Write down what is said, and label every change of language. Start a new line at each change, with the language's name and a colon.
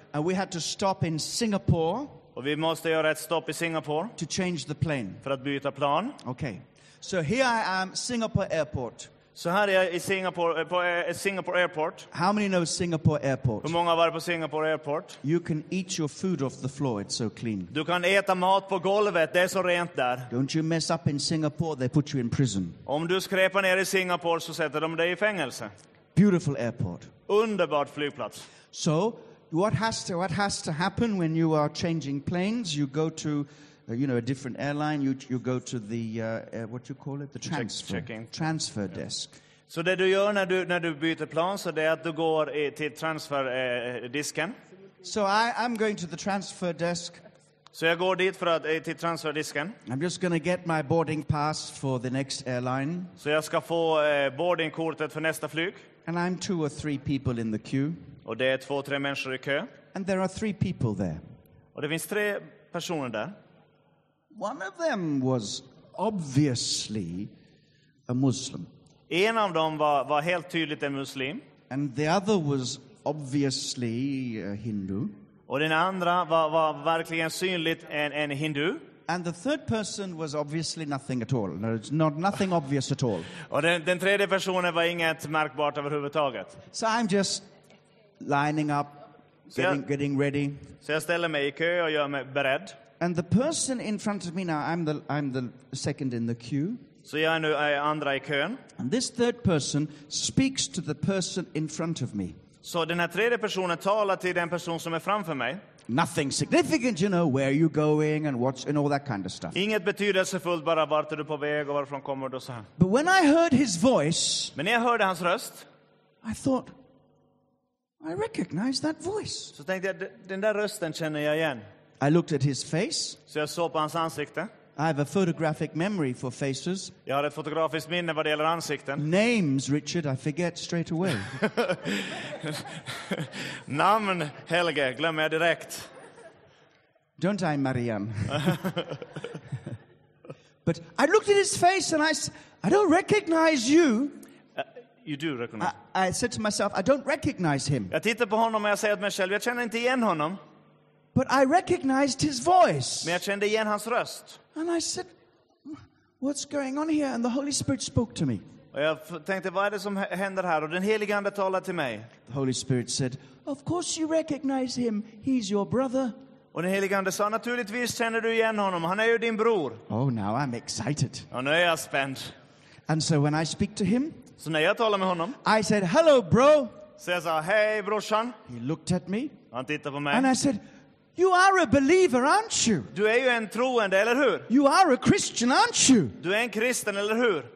English: And we had to stop in Singapore.
Swedish: Och vi måste göra ett stopp i Singapore.
English: To change the plane.
Swedish: För att byta plan.
English: Okay. So here I am, Singapore Airport.
Swedish: Så här är jag i Singapore, på Singapore Airport.
English: How many know Singapore Airport?
Swedish: Hur många har varit på Singapore Airport?
English: You can eat your food off the floor, it's so clean.
Swedish: Du kan äta mat på golvet, det är så rent där.
English: Don't you mess up in Singapore, they put you in prison.
Swedish: Om du skräpar ner i Singapore så sätter de dig i fängelse.
English: Beautiful airport.
Swedish: Underbart flygplats.
English: So, what has to happen when you are changing planes? You go to a different airline, you go to the what you call it, the transfer desk.
Swedish: So det du gör när du byter plan så det är att du går till transfer disken.
English: So I'm going to the transfer desk.
Swedish: Så jag går dit för att till transfer disken.
English: I'm just going to get my boarding pass for the next airline.
Swedish: Så jag ska få boarding kortet för nästa flyg.
English: And I'm two or three people in the queue.
Swedish: Och det är två tre människor i kö.
English: And there are three people there.
Swedish: Och det finns tre personer där.
English: One of them was obviously a Muslim.
Swedish: En av dem var helt tydligt en muslim.
English: And the other was obviously a Hindu.
Swedish: Och den andra var verkligen synligt en Hindu.
English: And the third person was obviously nothing at all. No, it's not nothing obvious at all.
Swedish: Och den tredje personen var inget märkbart överhuvudtaget.
English: So I'm just lining up, getting ready.
Swedish: Så jag ställer mig i kö och gör mig beredd.
English: And the person in front of me now, I'm the second in the queue.
Swedish: Så jag är nu andra i kön.
English: And this third person speaks to the person in front of me.
Swedish: Så den här tredje personen talar till den person som är framför mig.
English: Nothing significant, you know, where are you going and what's and all that kind of stuff.
Swedish: Inget betydelsefullt, bara vart är du på väg och varifrån kommer du och så här.
English: But when I heard his voice,
Swedish: men när jag hörde hans röst,
English: I thought, I recognize that voice.
Swedish: Så tänkte jag, den där rösten känner jag igen.
English: I looked at his face.
Swedish: Så jag såg på hans ansikte.
English: I have a photographic memory for faces.
Swedish: Jag har ett fotografiskt minne vad det gäller ansikten.
English: Names, Richard, I forget straight away.
Swedish: Namn, Helge, glömmer jag direkt.
English: Don't I, Marianne? But I looked at his face and I said, I don't recognize you. You do recognize. I said to myself, I don't recognize him.
Swedish: Jag tittar på honom och jag säger till mig själv, jag känner inte igen honom.
English: But I recognized his voice.
Swedish: Men jag kände igen hans röst.
English: And I said, what's going on here? And the Holy Spirit spoke to me.
Swedish: Och jag tänkte, vad är det som händer här? Och den helige ande talade till mig.
English: The Holy Spirit said, of course you recognize him. He's your brother.
Swedish: Och den helige ande sa, naturligtvis känner du igen honom. Han är ju din bror.
English: Oh, now I'm excited.
Swedish: Och nu är jag spänd.
English: And so when I speak to him,
Swedish: så när jag talar med honom,
English: I said, hello, bro.
Swedish: Så jag sa, hej, brorsan.
English: He looked at me.
Swedish: Han tittade på mig.
English: And I said, you are a believer, aren't you?
Swedish: Du är ju en troende, eller hur?
English: You are a Christian, aren't you?
Swedish: Du är en kristen, eller hur?